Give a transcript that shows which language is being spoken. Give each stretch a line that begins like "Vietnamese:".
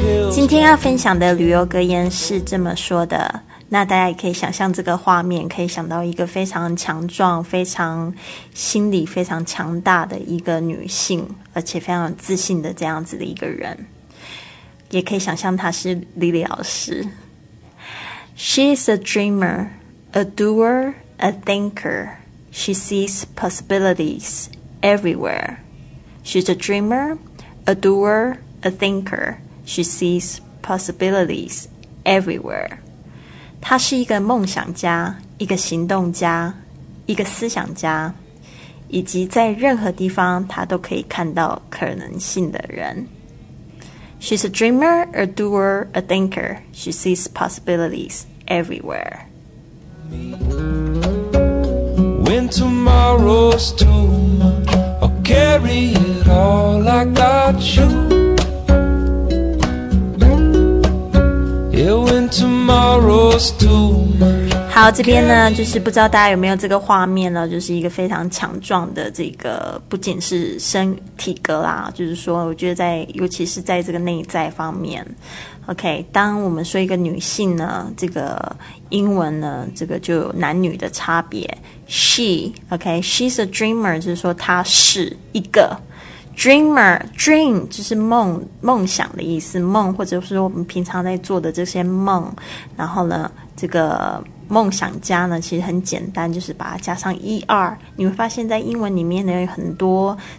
Chinese: 今天要分享的旅游格言是这么说的，那大家也可以想象这个画面，可以想到一个非常强壮，非常心理非常强大的一个女性，而且非常自信的这样子的一个人，也可以想象她是莉莉老师。
English: She is a dreamer, a doer, a thinker. She sees possibilities everywhere. She's a dreamer, a doer, a thinker. She sees possibilities everywhere.
Chinese: 她是一个梦想家，一个行动家，一个思想家，以及在任何地方她都可以看到可能性的人。
English: She's a dreamer, a doer, a thinker. She sees possibilities everywhere. When tomorrow's too much, I'll carry it all I got you. Yeah, when tomorrow's too much.
Chinese: 好，这边呢就是不知道大家有没有这个画面呢，就是一个非常强壮的这个，不仅是身体格啦，就是说我觉得在尤其是在这个内在方面， OK， 当我们说一个女性呢，这个英文呢这个就有男女的差别， She OK, She's a dreamer 就是说她是一个 Dreamer, dream 就是梦，梦想的意思，梦或者说我们平常在做的这些梦，然后呢这个梦想家呢其实很简单，就是把它加上 ER， 你会发现在英文里面呢有很多